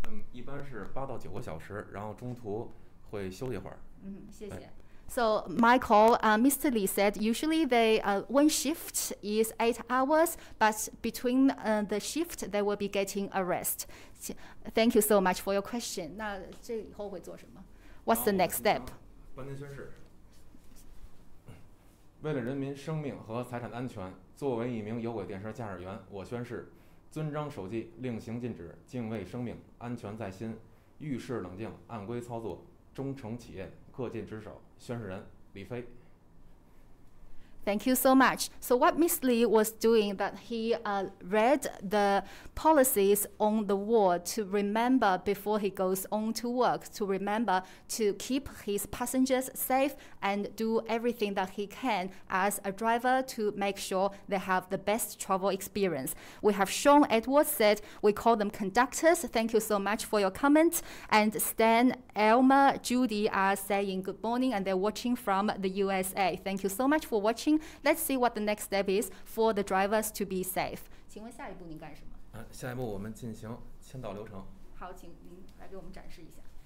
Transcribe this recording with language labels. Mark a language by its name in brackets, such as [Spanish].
[Chinese] 一般是8到9个小时，然后中途会休息会儿。嗯，谢谢。 [English] So Michael, Mr. Lee said usually they one shift is 8 hours, but between the shift they will be getting a rest. Thank you so much for your question. [Chinese] 那这以后会做什么 [English] ？What's the next step？ [Chinese] 颁定宣誓。为了人民生命和财产安全，作为一名有轨电车驾驶员，我宣誓遵章守纪，令行禁止，敬畏生命，安全在心，遇事冷静，按规操作，忠诚企业，恪尽职守。宣誓人李飞。 [English] Thank you so much. So what Miss Lee was doing that he read the policies on the wall to remember before he goes on to work, to remember to keep his passengers safe and do everything that he can as a driver to make sure they have the best travel experience. We have Sean Edwards said, we call them conductors. Thank you so much for your comment. And Stan, Elmer, Judy are saying good morning and they're watching from the USA. Thank you so much for watching. Let's see what the next step is for the drivers to be safe. [Chinese] 请问下一步您干什么？下一步我们进行签到流程。好，请您来给我们展示一下。